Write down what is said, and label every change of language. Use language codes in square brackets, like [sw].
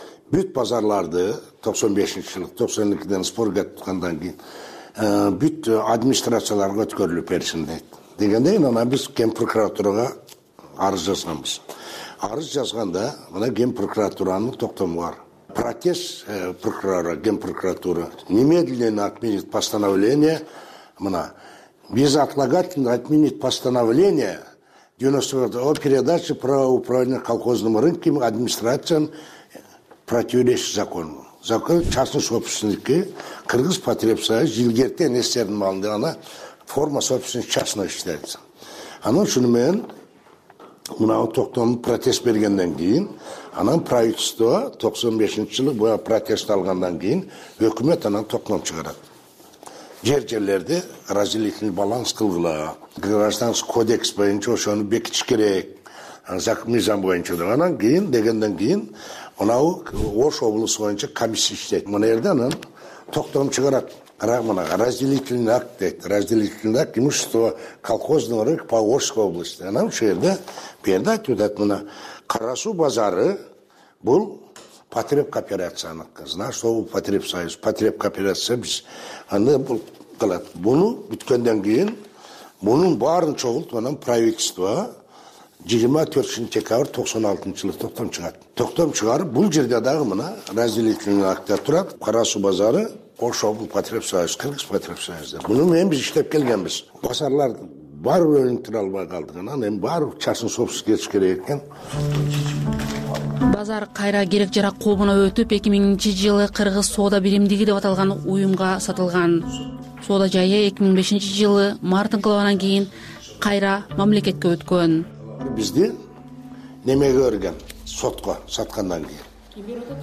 [ky] Бүт базарларды 95-жылкы жылы 92-ден спор кеткандан кийин бүт администрацияларга өткөрүлүп берсин дейт. Дегенде анан биз генпрокуратурага арыз жазганбыз. Арыз жазганда мына генпрокуратуранын токтому бар. [ru] Протест прокурора, генпрокуратура немедленно отменит постановление. Мына безотлагательно отменит постановление 94 о передаче права управления колхозным рынком администрациям противоречит закону. Закон частной собственности [ky] Кыргыз потреб союзу илгертен эстердин маалында гана [ru] форма собственности частной считается. [ky] Анан ушуну менен мына токтом протест бергенден кийин анан правительство 95 жылы бу протест алгандан кийин өкмөт анан токтом чыгарат. Жер жерлерди разделительный баланс кылгыла, гражданский кодекс боюнча ошону бекитиш керек, мыйзам боюнча деп. Анан кийин дегенден кийин мынабу Ош облусу боюнча комиссия иштейт. Мына жерде анан токтом чыгарат. [ru] Мына разделительный акт дейт. Разделительный акт имущество колхозного рынка по Ошской области. [ky] Анан ушул жерде берди айтып атат, мына Кара суу базары бул потреб кооперацияныкы, [ru] знаешь, что потреб союз, [ky] потреб кооперация биз аны бул кылат. Буну бүткөндөн кийин мунун баарын чогултуп анан правительство 24 декабрь 1996 токтом чыгат. Токтом чыгарып бул жерде дагы мына разделительный актта турат. Кара суу базары Ошол потреб союз, кыргыз потреб союзда. Муну менен биз иштеп келгенбиз. Базарлар баары өлүнүп тура албай калдык. Анан эми баары частный собственность кетиш керек экен. Базар кайра керек жарак коомуна өтүп 2000-жылы Кыргыз соода биримдиги деп аталган уюмга сатылган. Соода жайы 2005-жылы март инкылабынан кийин кайра мамлекетке өткөн. Бизди немеге өргөн? Сотко саткандан кийин.